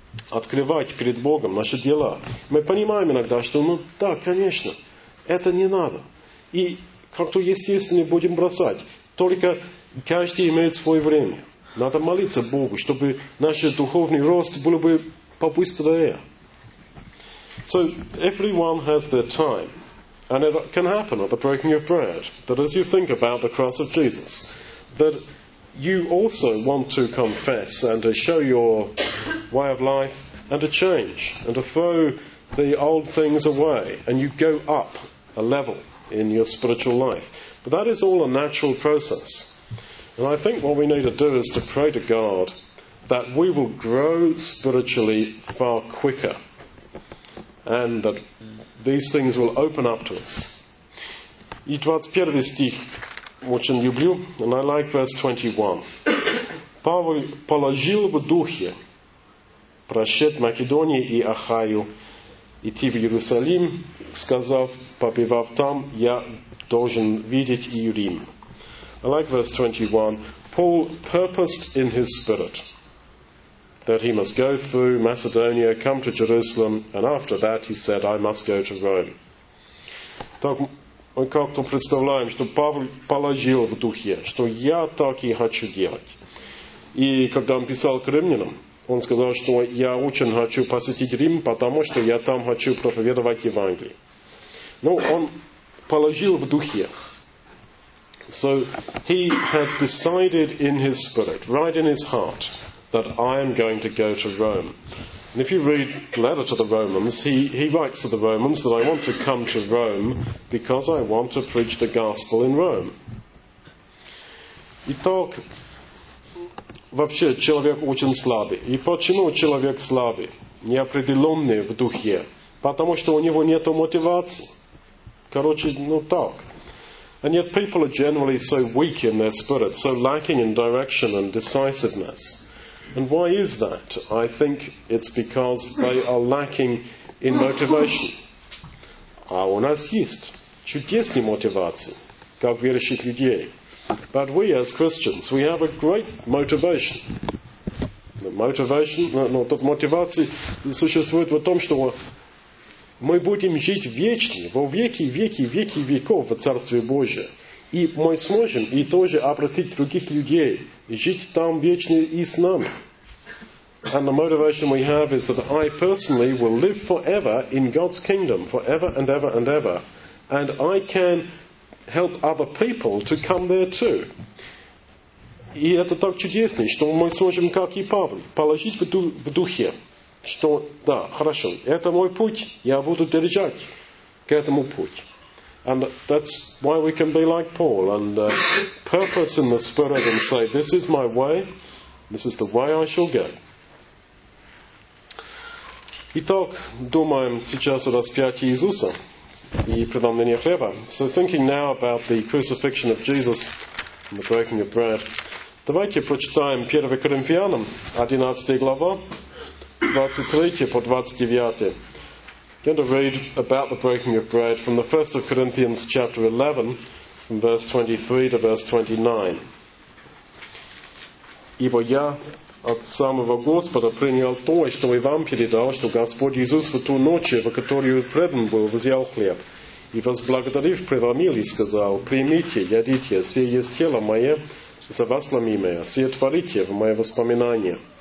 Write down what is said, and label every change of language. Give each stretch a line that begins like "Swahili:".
Russian: Открывать перед Богом наши дела. Мы понимаем иногда, что, ну да, конечно, это не надо. И как-то естественно будем бросать. Только каждый имеет свое время. Надо молиться Богу, чтобы наш духовный рост был бы побыстрее.
English: So, everyone has their time. And it can happen at the breaking of bread, that as you think about the cross of Jesus, that you also want to confess and to show your way of life and to change and to throw the old things away and you go up a level in your spiritual life. But that is all a natural process. And I think what we need to do is to pray to God that we will grow spiritually far quicker and that these things will open up to us.
Russian: И 21 стих очень люблю,
English: and I like verse 21.
Russian: Павел положил в духе прощать Македонии и Ахаю идти в Иерусалим, сказав, побывав там, я должен видеть и Рим.
English: I like verse 21. Paul purposed in his spirit that he must go through Macedonia, come to Jerusalem, and after that he said, I must go to Rome.
Russian: Так, мы как-то представляем, что Павел положил в духе, что я так и хочу делать. И когда он писал к римлянам, он сказал, что я очень хочу посетить Рим, потому что я там хочу проповедовать Евангелие. Ну, он положил в духе.
English: So, he had decided in his spirit, right in his heart, that I am going to go to Rome. And if you read the letter to the Romans, he writes to the Romans that I want to come to Rome because I want to preach the gospel in Rome.
Russian: Итак, вообще человек очень слабый. И почему человек слабый? Неопределенный в духе. Потому что у него нет мотивации. Короче, ну так.
English: And yet people are generally so weak in their spirit, so lacking in direction and decisiveness. And why is that? I think it's because they are lacking in motivation.
Russian: А у нас есть чудесные мотивации, как верующих людей.
English: But we as Christians, we have a great motivation.
Russian: Мотивация существует в том, что мы будем жить вечно, во веки, веки, веки веков в Царстве Божьем. И мы сможем и тоже обратить других людей, жить там вечно и с нами.
English: And the motivation we have is that I personally will live forever in God's kingdom, forever and ever and ever. And I can help other people to come there too.
Russian: И это так чудесно, что мы сможем, как и Павел, положить в духе, что да, хорошо, это мой путь, я буду держать к этому путь.
English: And that's why we can be like Paul and purpose in the Spirit and say, this is my way, this is the way I shall go.
Russian: Итак, думаем сейчас о распятии Иисуса и преломлении хлеба.
English: So thinking now about the crucifixion of Jesus and the breaking of bread,
Russian: давайте прочитаем 1 Коринфянам, 11 глава, 23 по 29.
English: I'm going to read about the breaking of bread from the 1 Corinthians chapter 11, from verse 23 to verse 29.
Russian: Ибо я от самого Господа принял то, что и вам передал, что Господь Иисус в ту ночь, в которую предан был, взял хлеб, и возблагодарив, преломил и сказал, примите, едите, сие есть тело мое, за вас ломимое, сие творите в мое воспоминание.